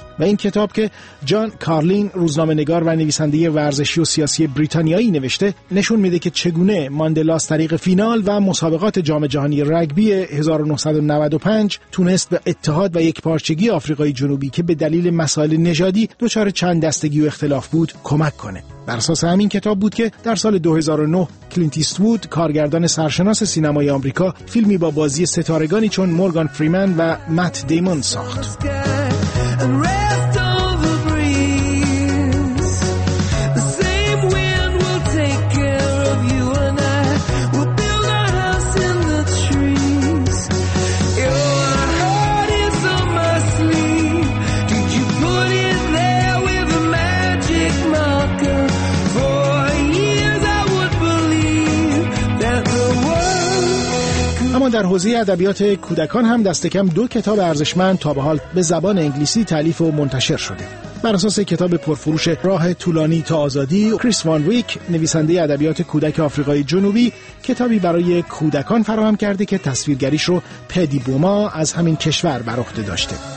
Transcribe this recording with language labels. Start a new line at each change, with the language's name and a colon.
Persian: و این کتاب که جان کارلین، روزنامه‌نگار و نویسنده ورزشی و سیاسی بریتانیایی، نوشته، نشون میده که چگونه ماندلا از طریق فینال و مسابقات جام جهانی رگبی 1995 تونست به اتحاد و یکپارچگی آفریقای جنوبی که به دلیل مسائل نژادی دچار چند دستگی و اختلاف بود کمک کنه. بر اساس همین کتاب بود که در سال 2009 کلینت ایستوود، کارگردان سرشناس سینمای آمریکا، فیلمی با بازی ستارگانی چون مورگان فریمن و مت دیمون ساخت.
English: And rest on the breeze. The same wind will take care of you and I. We'll build a house in the trees. Your heart is on my sleeve. Did you put it there with a magic marker? For years I would believe that the world.
Persian: اما در حوزه ادبیات کودکان هم دست کم دو کتاب ارزشمند تا به حال به زبان انگلیسی تألیف و منتشر شده. بر اساس کتاب پرفروش راه طولانی تا آزادی، کریس وان ویک، نویسنده ادبیات کودک آفریقای جنوبی، کتابی برای کودکان فراهم کرده که تصویرگریش رو پدی بوما از همین کشور بر عهده داشته.